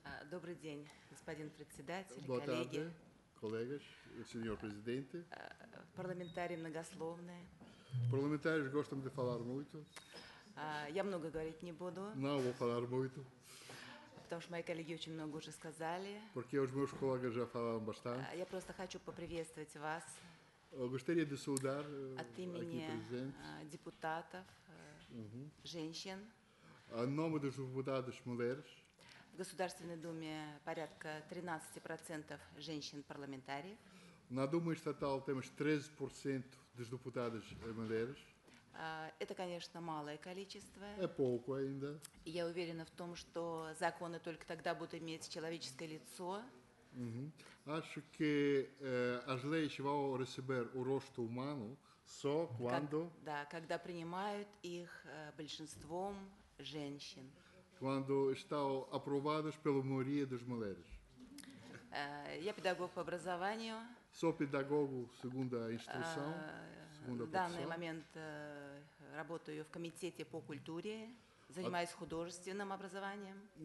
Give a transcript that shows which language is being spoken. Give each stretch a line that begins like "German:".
Russian: Добрый день, господин председатель, коллеги. Коллега, сеньор президент. Парламентарии многословные.
Portuguese: Парламентарии gostam de falar muito.
Russian: Я много говорить не буду.
Portuguese: Não vou falar muito.
Russian: Потому что мои коллеги очень много уже сказали.
Portuguese: Porque os meus colegas já falaram bastante.
Russian: Я просто хочу поприветствовать вас.
Portuguese: Gostaria de saudar
Russian: от имени депутатов, женщин.
Portuguese: Em nome dos deputados mulheres.
Russian: В Государственной Думе порядка 13% женщин-парламентариев. На Думе статал
Portuguese: temos 13% dos deputados mulheres.
Russian: Это, конечно, малое количество.
Portuguese: É pouco ainda.
Russian: Я уверена в том, что законы только тогда будут иметь человеческое лицо.
Portuguese: Acho que as leis vão receber o rosto humano só quando...
Russian: Да, когда принимают их большинством женщин.
Portuguese: Quando estão aprovadas pela maioria das mulheres.
Russian: Я педагог по образованию.
Portuguese: Sou педагогу segundo a instrução. Segundo a profissão.
Russian: В данный момент работаю в комитете по культуре. Занимаюсь художественным образованием.